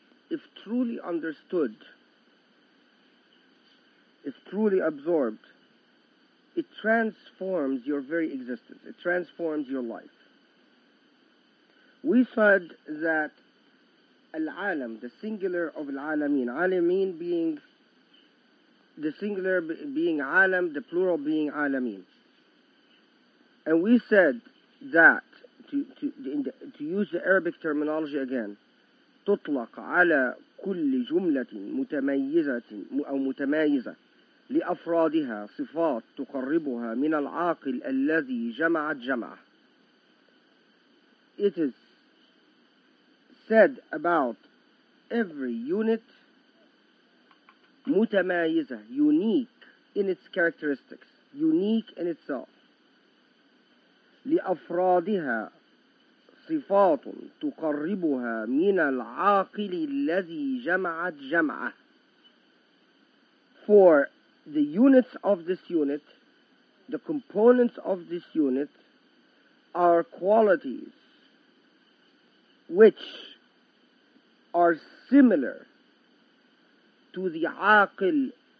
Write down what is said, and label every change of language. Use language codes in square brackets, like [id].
[en] If truly understood, if truly absorbed, it transforms your very existence. It transforms your life. We said that al-alam, the singular of al-alamin, alamin being the singular being alam, the plural being alamin. And we said that, to use the Arabic terminology again, [ar] تطلق على كل جملة متميزة أو متميزة لأفرادها صفات تقربها من العاقل الذي جمعت جمع. [en] It is said about every unit متميزة, unique in its characteristics, unique in itself. [ar] لأفرادها صفات تقربها من العاقل الذي جمعت جمعة. [en] For the units of this unit, the components of this unit, are qualities which are similar to the aqil.